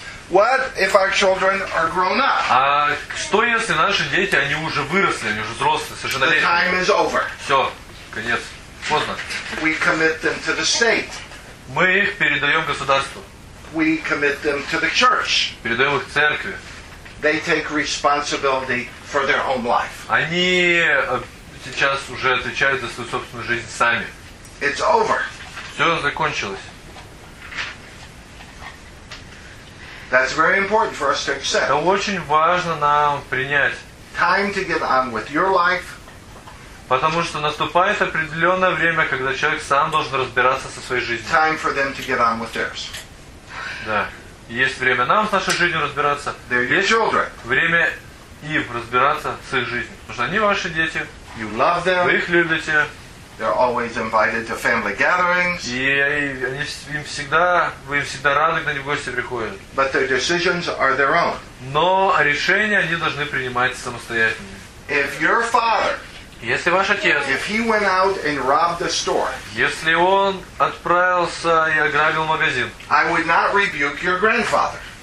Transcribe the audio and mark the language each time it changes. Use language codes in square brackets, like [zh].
[en] What if our children are grown up? [ru] А что если наши дети, они уже выросли, они уже взрослые, совершеннолетние? [en] The time is over. [ru] Все, конец, поздно. [en] We commit them to the state. [ru] Мы их передаем государству. [en] We commit them to the church. [ru] Передаем их церкви. [en] They take responsibility for their own life. [ru] Они сейчас уже отвечают за свою собственную жизнь сами. [en] It's over. [ru] Все закончилось. [en] That's very important for us to accept. [ru] Это очень важно нам принять. [en] Time to get on with your life. [ru] Потому что наступает определенное время, когда человек сам должен разбираться со своей жизнью. [en] Time for them to get on with theirs. [ru] Да. Есть время нам с нашей жизнью разбираться. [en] They're your children. [ru] Время им разбираться с их жизнью. Потому что они ваши дети. [en] You love them. [ru] Вы их любите. [en] They're always invited to family gatherings. [ru] Вы им всегда рады, когда они в гости приходят. [en] But their decisions are their own. [ru] Но решения они должны принимать самостоятельно. [en] If your father, [ru] если ваш отец, [en] if he went out and robbed the store, [ru] если он отправился и ограбил магазин, [en] I would not rebuke your grandfather.